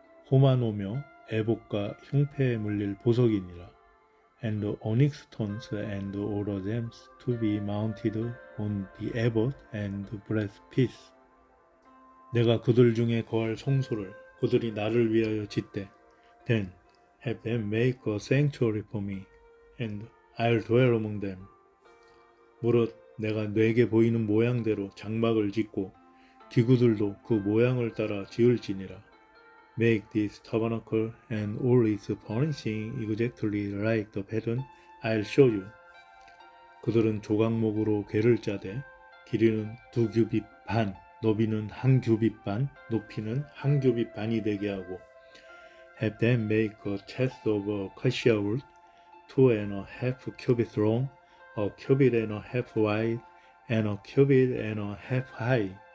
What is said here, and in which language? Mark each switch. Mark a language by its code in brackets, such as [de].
[ko] 호마노며 애복과 흉패에 물릴 보석이니라. [en] And the onyx stones and all the gems to be mounted on the ephod and breastpiece. [ko] 내가 그들 중에 거할 성소를 그들이 나를 위하여 짓되 [en] Then have them make a sanctuary for me, and I'll dwell among them. [ko] 무릇 내가 네게 보이는 모양대로 장막을 짓고 기구들도 그 모양을 따라 지을지니라. [en] Make this tabernacle and all its furnishing exactly like the pattern I'll show you. [ko] 그들은 조각목으로 궤를 짜되 길이는 두 규빗 반, 너비는 한 규빗 반, 높이는 한 규빗 반이 되게 하고 [en] Have them make a chest of acacia wood, 2.5 cubits long, 1.5 cubits wide, and 1.5 cubits high.